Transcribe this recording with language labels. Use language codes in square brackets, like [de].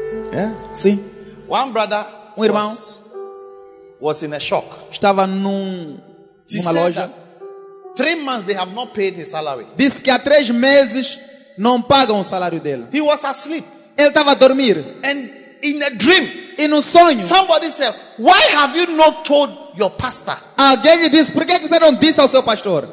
[en] Yeah. [pt] Sim. [en] One brother, [pt] um irmão, [en] was in a shock. [pt] Estava numa loja. [en] 3 months they have not paid his salary. [pt] Disse que há 3 meses não pagam o salário dele. [en] He was asleep. [pt] Ele estava a dormir. [en] And in a dream, [pt] em um sonho, [en] somebody said, "Why have you not told your pastor?" [pt] Alguém disse, "Por que você não disse ao seu pastor?"